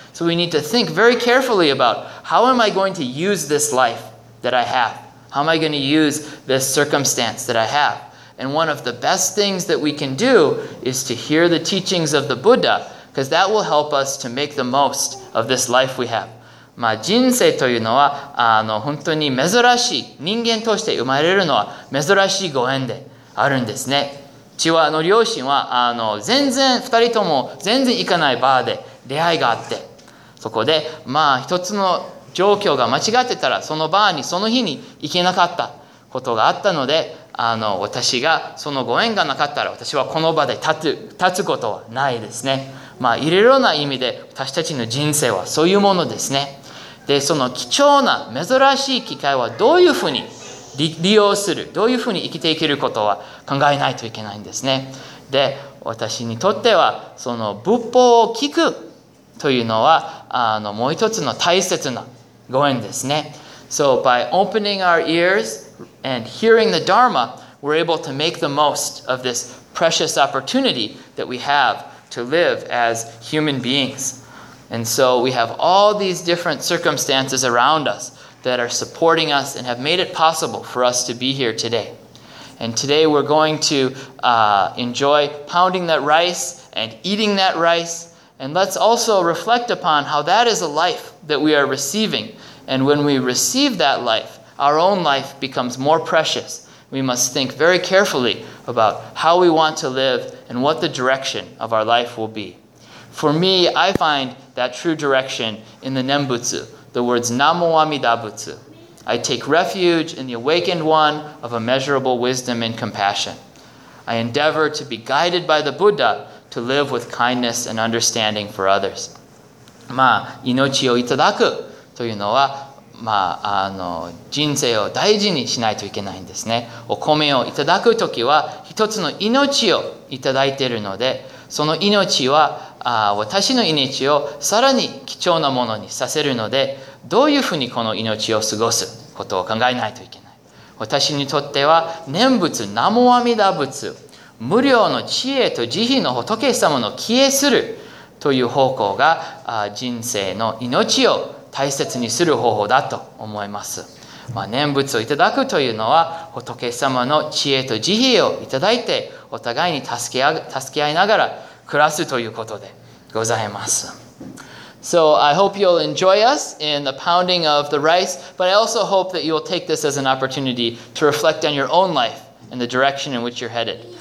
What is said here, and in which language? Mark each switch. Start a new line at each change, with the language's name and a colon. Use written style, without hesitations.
English: So we need to think very carefully about how am I going to use this life that I have? How am I going to use this circumstance that I have? And one of the best things that we can do is to hear the teachings of the Buddha, because that will help us to make the most of this life we have.
Japanese: まあ、人生というのは本当に珍しい、人間として生まれるのは珍しいご縁であるんですね。父はの両親は全然2人とも全然行かないバーで出会いがあって、そこでまあ一つの状況が間違ってたらそのバーにその日に行けなかったことがあったので、私がそのご縁がなかったら私はこの場で立つことはないですね。まあ、いろいろな意味で私たちの人生はそういうものですね。で、その貴重な珍しい機会はどういうふうに利用する、どういうふうに生きていけることは考えないといけないんですね。で、私にとってはその仏法を聞くというのはもう一つの大切なご縁ですね。
English: So by opening our ears and hearing the Dharma, we're able to make the most of this precious opportunity that we haveto live as human beings. And so we have all these different circumstances around us that are supporting us and have made it possible for us to be here today. And today we're going to enjoy pounding that rice and eating that rice. And let's also reflect upon how that is a life that we are receiving. And when we receive that life, our own life becomes more precious. We must think very carefully about how we want to live and what the direction of our life will be. For me, I find that true direction in the Nembutsu, the words Namo Amida Butsu. I take refuge in the awakened one of immeasurable wisdom and compassion. I endeavor to be guided by the Buddha to live with kindness and understanding for others.
Japanese: まあ、命をいただくというのは、まあ、人生を大事にしないといけないんですね。お米をいただくときは一つの命をいただいているので、その命は私の命をさらに貴重なものにさせるので、どういうふうにこの命を過ごすことを考えないといけない。私にとっては念仏、南無阿弥陀仏、無量の智慧と慈悲の仏様の帰依するという方向が人生の命を大切にする方法だと思います。まあ、念仏をいただくというのは、仏様の知恵と慈悲をいただいて、お互いに助け合いながら暮らすということでございます。
English: So I hope you'll enjoy us in the pounding of the rice, but I also hope that you'll take this as an opportunity to reflect on your own life and the direction in which you're headed.